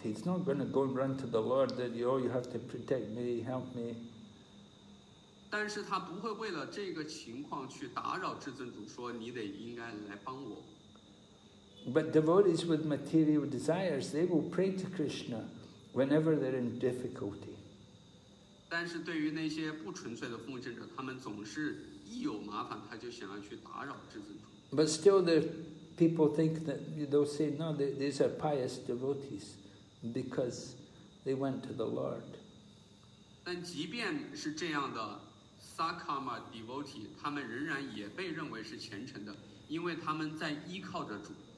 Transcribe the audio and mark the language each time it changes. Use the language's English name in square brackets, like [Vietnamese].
[English] He's not going to go and run to the Lord that, oh, you have to protect me, help me. [Chinese] 但是他不会为了这个情况去打扰至尊主，说你得应该来帮我。 [English] But devotees with material desires, they will pray to Krishna whenever they're in difficulty. [Chinese] 但是对于那些不纯粹的奉献者，他们总是一有麻烦他就想要去打扰至尊主。 [English] But still, the people think that they'll say, no, these are pious devotees because they went to the Lord. [Chinese] 但即便是这样的 Sakama [English] devotee, [Chinese] 他们仍然也被认为是虔诚的，因为他们在依靠着主。